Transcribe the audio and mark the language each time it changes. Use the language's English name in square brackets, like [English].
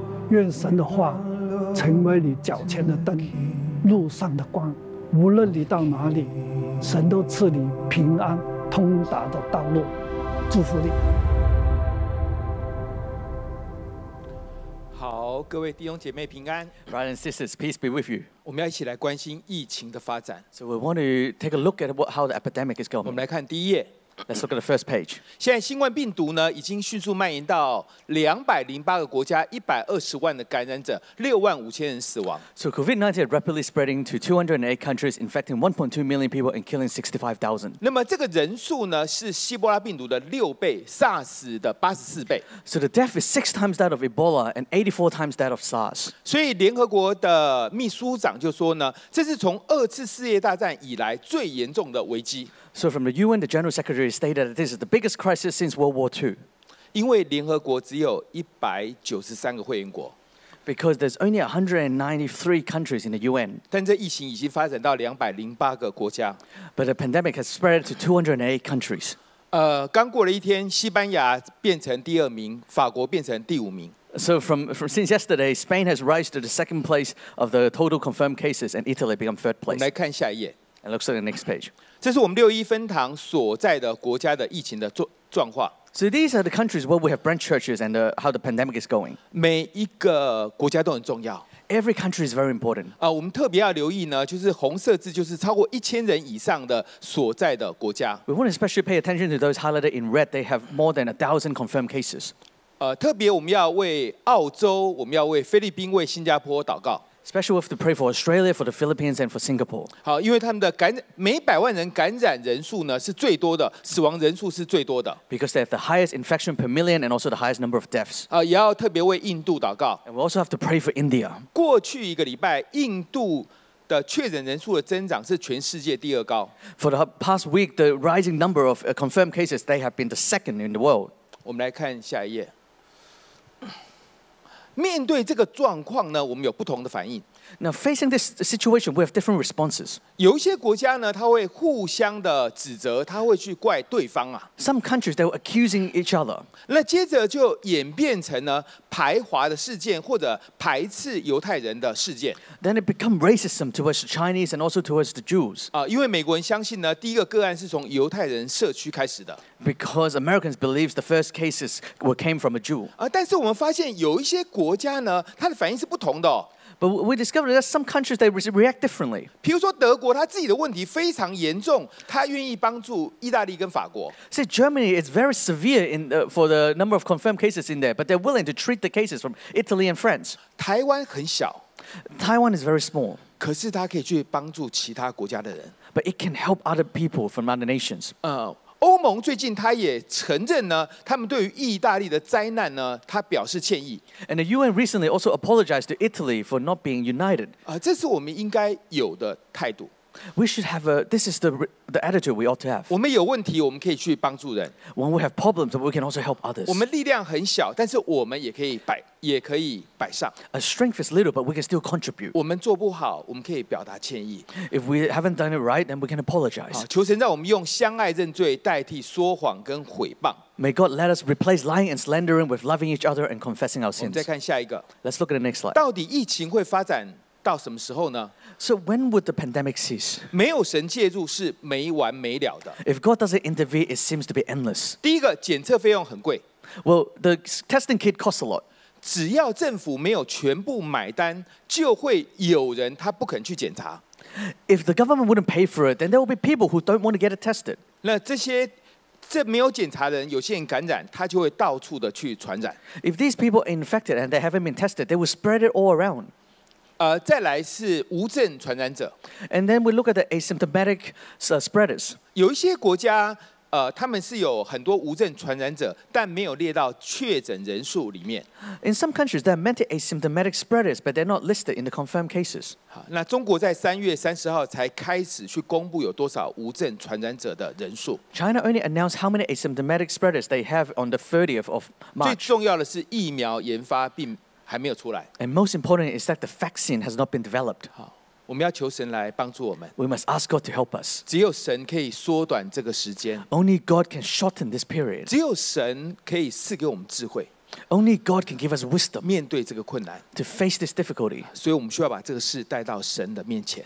[Chinese] 愿神的话成为你脚前的灯，路上的光，无论你到哪里，神都赐你平安通达的道路。祝福你。好，各位弟兄姐妹平安。 [English] Brothers and sisters, peace be with you. [Chinese] 我们要一起来关心疫情的发展。 [English] So we want to take a look at how the epidemic is going. [Chinese] 我们来看第一页。 [English] Let's look at the first page. [Chinese] 现在新冠病毒呢已经迅速蔓延到208个国家，120万的感染者，65000人死亡。 [English] So COVID-19 is rapidly spreading to 208 countries, infecting 1.2 million people and killing 65,000. [Chinese] 那么这个人数呢是希波拉病毒的6倍， SARS 的84倍。 [English] So the death is 6 times that of Ebola and 84 times that of SARS. [Chinese] 所以联合国的秘书长就说呢，这是从二次世界大战以来最严重的危机。 [English] So from the UN, the General Secretary stated that this is the biggest crisis since World War II. [Chinese] 因为联合国只有193个会员国。 [English] Because there's only 193 countries in the UN. [Chinese] 但这疫情已经发展到208个国家。 [English] But the pandemic has spread to 208 countries. [Chinese] 刚过了一天，西班牙变成第二名，法国变成第五名。 [English] So from since yesterday, Spain has risen to the second place of the total confirmed cases, and Italy became third place. [Chinese] 我们来看下一页。 [English] And looks at the next page. [Chinese] 这是我们六一分堂所在的国家的疫情的状况。 [English] So these are the countries where we have branch churches and how the pandemic is going. [Chinese] 每一个国家都很重要。 [English] Every country is very important. [Chinese] 我们特别要留意呢，就是红色字，就是超过1000人以上的所在的国家。 [English] We want to especially pay attention to those highlighted in red. They have more than 1,000 confirmed cases. [Chinese] 特别我们要为澳洲，我们要为菲律宾，为新加坡祷告。 [English] Especially with the pray for Australia, for the Philippines, and for Singapore. [Chinese] 好，因为他们的感每百万人感染人数呢是最多的，死亡人数是最多的。 [English] Because they have the highest infection per million and also the highest number of deaths. [Chinese] 也要特别为印度祷告。 [English] And we also have to pray for India. [Chinese] 过去一个礼拜，印度的确诊人数的增长是全世界第二高。 [English] For the past week, the rising number of confirmed cases, they have been the second in the world. [Chinese] 我们来看下一页。面对这个状况呢，我们有不同的反应。 [English] Now facing this situation, we have different responses. [Chinese] 有一些国家呢，他会互相的指责，他会去怪对方啊。 [English] Some countries they were accusing each other. [Chinese] 那接着就演变成呢排华的事件，或者排斥犹太人的事件。 [English] Then it become racism towards the Chinese and also towards the Jews. [Chinese] 因为美国人相信呢，第一个个案是从犹太人社区开始的。 [English] Because Americans believe the first cases came from a Jew. [Chinese] 但是我们发现有一些国家呢，它的反应是不同的哦。 [English] But we discovered that some countries they react differently. [Chinese] 譬如说德国，他自己的问题非常严重，他愿意帮助意大利跟法国。 [English] See, Germany is very severe in for the number of confirmed cases in there, but they're willing to treat the cases from Italy and France. [Chinese] 台湾很小 [English] ，Taiwan is very small. [Chinese] 可是它可以去帮助其他国家的人。 [English] But it can help other people from other nations. [Chinese] 欧盟最近他也承认呢，他们对于意大利的灾难呢，他表示歉意。 [English] And the UN recently also apologized to Italy for not being united. [Chinese] 这是我们应该有的态度。 [English] We should have this is the attitude we ought to have. [Chinese] 我们有问题，我们可以去帮助人。 [English] When we have problems, we can also help others. [Chinese] 我们力量很小，但是我们也可以摆上。 [English] A strength is little, but we can still contribute. [Chinese] 我们做不好，我们可以表达歉意。 [English] If we haven't done it right, then we can apologize. [Chinese] 求神让我们用相爱认罪代替说谎跟毁谤。 [English] May God let us replace lying and slandering with loving each other and confessing our sins. [Chinese] 我们再看下一个。 [English] Let's look at the next slide. [Chinese] 到底疫情会发展？到什么时候呢？ [English] So when would the pandemic cease? [Chinese] 没有神介入是没完没了的。 [English] If God doesn't intervene, it seems to be endless. [Chinese] 第一个，检测费用很贵。 [English] Well, the testing kit costs a lot. [Chinese] 只要政府没有全部买单，就会有人他不肯去检查。 [English] If the government wouldn't pay for it, then there will be people who don't want to get it tested. [Chinese] 那这些这没有检查的人，有些人感染，他就会到处的去传染。 [English] If these people are infected and they haven't been tested, they will spread it all around. [Chinese] 再来是无症传染者。 [English] And then we look at the asymptomatic spreaders. [Chinese] 有一些国家，他们是有很多无症传染者，但没有列到确诊人数里面。 [English] In some countries, there are many asymptomatic spreaders, but they're not listed in the confirmed cases. [Chinese] 好，那中国在3月30号才开始去公布有多少无症传染者的人数。 [English] China only announced how many asymptomatic spreaders they have on the 30th of March. [Chinese] 最重要的是疫苗研发并还没有出来。 [English] And most important is that the vaccine has not been developed. [Chinese] 好，我们要求神来帮助我们。 [English] We must ask God to help us. [Chinese] 只有神可以缩短这个时间。 [English] Only God can shorten this period. [Chinese] 只有神可以赐给我们智慧。 [English] Only God can give us wisdom. [Chinese] 面对这个困难。 [English] To face this difficulty. [Chinese] 所以我们需要把这个事带到神的面前。